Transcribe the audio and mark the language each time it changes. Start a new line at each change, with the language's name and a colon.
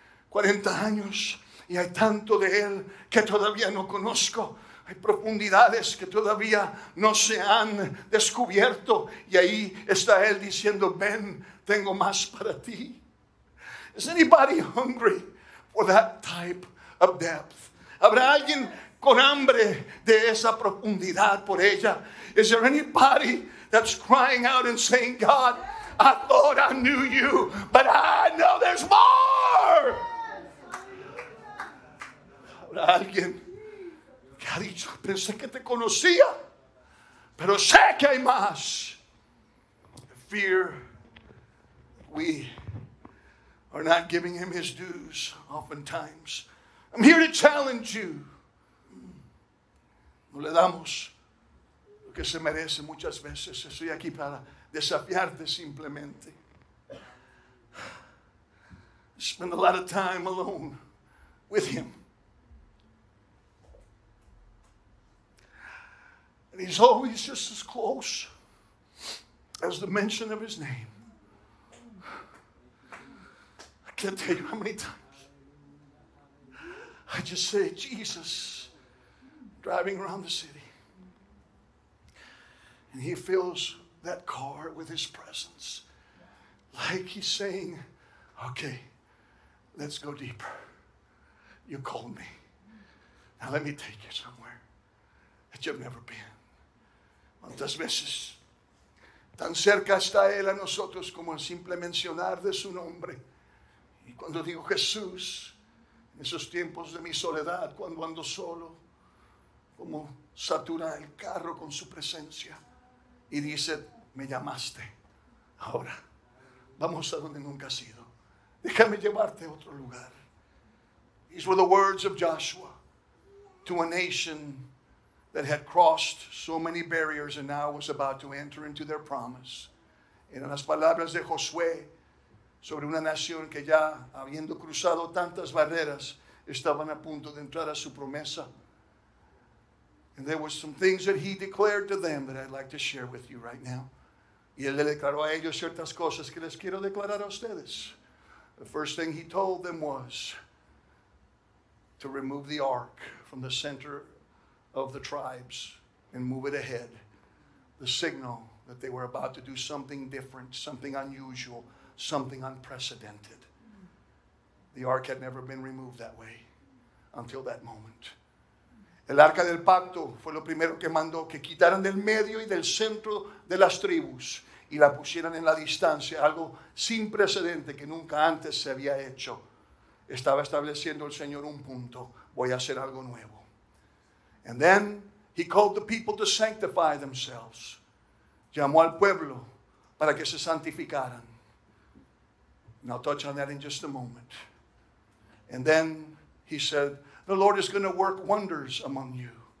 Spanish: 40 años y hay tanto de él que todavía no conozco. Hay profundidades que todavía no se han descubierto. Y ahí está él diciendo, ven, tengo más para ti.
English: Is anybody hungry for that type of depth?
Spanish: ¿Habrá alguien con hambre de esa profundidad por ella?
English: Is there anybody that's crying out and saying, God, I thought I knew you, but I know there's more?
Spanish: ¿Habrá alguien que ha dicho, pensé que te conocía, pero sé que hay más?
English: Fear. We are not giving him his dues oftentimes. I'm here to challenge you.
Spanish: No le damos lo que se merece muchas veces. Estoy aquí para desafiarte simplemente.
English: Spend a lot of time alone with him. And he's always just as close as the mention of his name. I can't tell you how many times I just say, Jesus, driving around the city. And he fills that car with his presence. Like he's saying, okay, let's go deeper. You called me. Now let me take you somewhere that you've never been.
Spanish: ¿Cuántas veces tan cerca está él a nosotros como el simple mencionar de su nombre? Y cuando digo Jesús, en esos tiempos de mi soledad, cuando ando solo, como satura el carro con su presencia y dice, me llamaste, ahora vamos a donde nunca has ido. Déjame llevarte a otro lugar.
English: These were the words of Joshua to a nation that had crossed so many barriers and now was about to enter into their promise.
Spanish: Eran las palabras de Josué sobre una nación que ya, habiendo cruzado tantas barreras, estaban a punto de entrar a su promesa.
English: And there were some things that he declared to them that I'd like to share with you right now.
Spanish: Y él le declaró a ellos ciertas cosas que les quiero declarar a ustedes.
English: The first thing he told them was to remove the ark from the center of the tribes and move it ahead. The signal that they were about to do something different, something unusual, something unprecedented. The ark had never been removed that way until that moment.
Spanish: El arca del pacto fue lo primero que mandó que quitaran del medio y del centro de las tribus y la pusieran en la distancia, algo sin precedente que nunca antes se había hecho. Estaba estableciendo el Señor un punto, voy a hacer algo nuevo.
English: And then he called the people to sanctify themselves.
Spanish: Llamó al pueblo para que se santificaran.
English: And I'll touch on that in just a moment. And then he said, the Lord is going to work wonders among you.